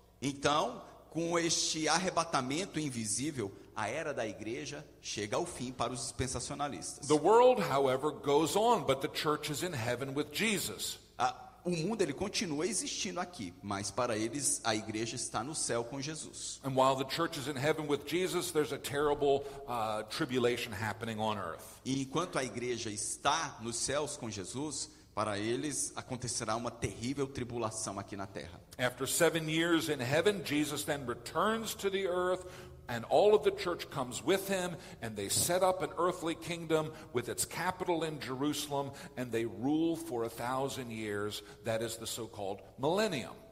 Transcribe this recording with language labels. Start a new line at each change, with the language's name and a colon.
Portuguese: Então, com este arrebatamento invisível, a era da igreja chega ao fim para os dispensacionalistas.
English: The world, however, goes on, but the church is in heaven with Jesus.
Portuguese: O mundo ele continua existindo aqui, mas para eles a igreja está no céu com Jesus.
English: And while the church is in heaven with Jesus, there's a terrible tribulation happening on earth.
Portuguese: E enquanto a igreja está nos céus com Jesus, para eles acontecerá uma terrível tribulação aqui na terra.
English: After 7 years in heaven, Jesus then returns to the earth and all of the church comes with him and they set up an earthly kingdom with its capital in Jerusalem and they rule for 1,000 years. That is the so-called millennium.